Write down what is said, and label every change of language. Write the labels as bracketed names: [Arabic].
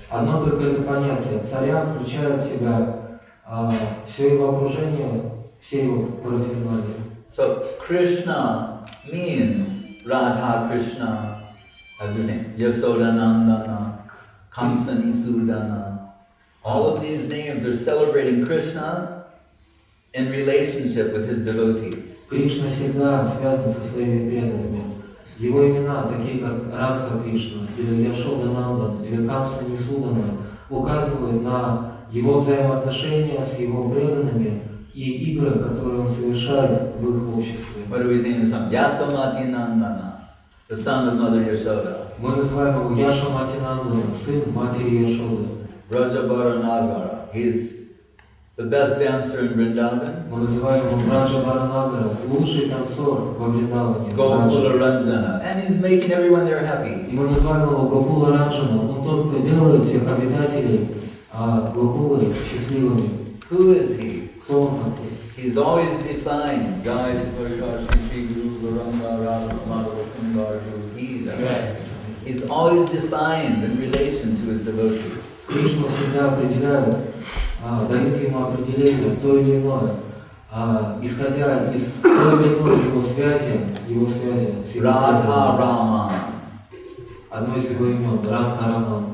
[Russian] Одно только это понятие. Царя включает в себя все его окружение, все его парафернали. [English] So Krishna means Radha Krishna, as we say, Yasoda Nandana, Kamsa Nisudana. All of these names are celebrating Krishna in relationship with his devotees. [Russian] Кришна всегда связан со своими преданными. Его имена, такие как Радха Кришна, или Яшода Нандан, или Камса Нисудана, указывают на его взаимоотношения с его преданными и игры, которые он совершает в их обществе. [English] What do we think of the song? Yasomati Nandana, the son of Mother Yashoda. [Russian] Мы называем его Яшомати Нандана, сын матери Яшоды. Раджабара Нагара. [English] He's the best dancer in Vrindavan. [Russian] Мы называем его Раджабара Нагара, лучший танцор во Вриндаване. Гопула Ранджана. [English] And he's making everyone there happy. [Russian] И мы называем его Гопула Ранджана, он тот, кто делает всех обитателей Гопулы счастливыми. [English] Who is he? [Russian] Кто он такой? [English] He's always defined. Guys, Bhagavashi, Guru, Varanga, Rama, Madhava, Sambharju, he's a man. He's always defined in relation to his devotees. [Russian] Кришну всегда определяют, дают ему определение, то или иное, исходя из той или иной его связи с его Радха Рама. Одно из его имен, Радха Рама.